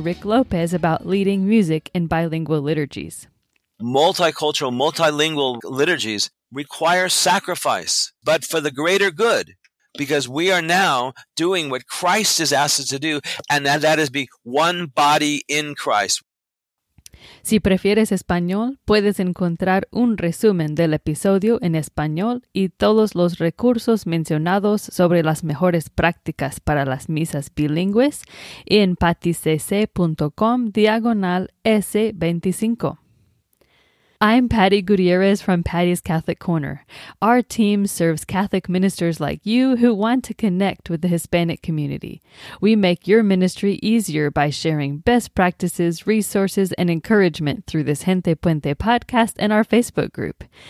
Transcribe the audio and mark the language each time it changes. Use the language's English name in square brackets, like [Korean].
[English] Rick Lopez about leading music in bilingual liturgies. Multicultural, multilingual liturgies require sacrifice, but for the greater good, because we are now doing what Christ has asked us to do, and that is be one body in Christ. [Spanish] Si prefieres español, puedes encontrar un resumen del episodio en español y todos los recursos mencionados sobre las mejores prácticas para las misas bilingües en paticc.com/S25. [English] I'm Patty Gutierrez from Patty's Catholic Corner. Our team serves Catholic ministers like you who want to connect with the Hispanic community. We make your ministry easier by sharing best practices, resources, and encouragement through this Gente Puente podcast and our Facebook group.